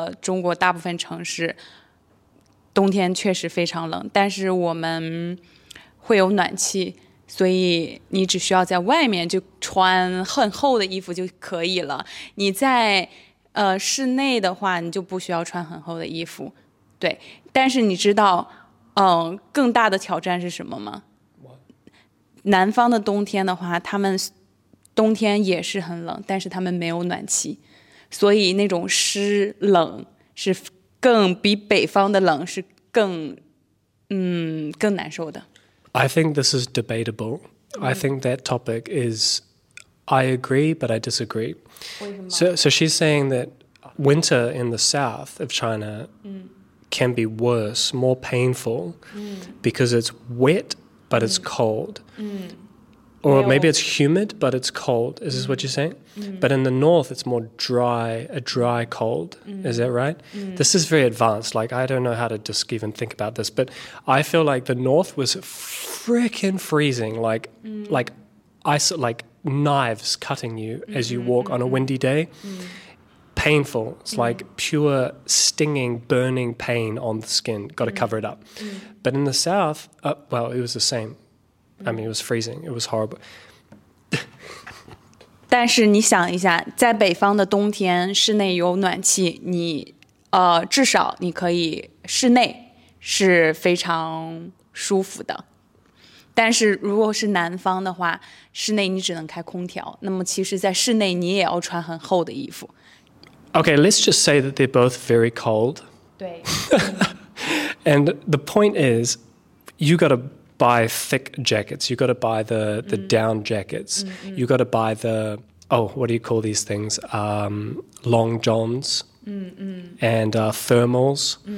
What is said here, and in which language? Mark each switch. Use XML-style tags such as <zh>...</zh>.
<zh>对，是的，这个冬天很冷，是一个可能，尤其是对于Kiwi，对于新西兰人来说，确实是一个不小的挑战，因为新西兰的冬天确实很温暖。如果说到了中国大部分城市。冬天确实非常冷，但是我们会有暖气，所以你只需要在外面就穿很厚的衣服就可以了。你在室内的话，你就不需要穿很厚的衣服。对，但是你知道，更大的挑战是什么吗？</zh> <en>What?</en> <zh>南方的冬天的话，他们冬天也是很冷，但是他们没有暖气，所以那种湿冷是更比北方的冷是。</zh> <en>I think this is debatable. I think that topic is, I agree, but I disagree. So she's saying that winter in the south of China can be worse, more painful, because it's wet, but it's cold. Or maybe it's humid, but it's cold. Is this what you're saying? But in the north, it's more dry, a dry cold. Is that right? This is very advanced. Like, I don't know how to just even think about this. But I feel like the north was freaking freezing. Like, like knives cutting you as you walk on a windy day. painful. It's like pure stinging, burning pain on the skin. Got to cover it up. But in the south, well, it was the same. I mean, it was freezing. It was horrible.</en> <zh>但是你想一下，在北方的冬天，室内有暖气，你至少你可以室内是非常舒服的。但是如果是南方的话，室内你只能开空调，那么其实在室内你也要穿很厚的衣服。</zh> <en>Okay, let's just say that they're both very cold.</en> <zh>对。</zh> <en>And the point is, you got to buy thick jackets. You got to buy the down jackets. You got to buy the, oh, what do you call these things? Long johns. And thermals.</en>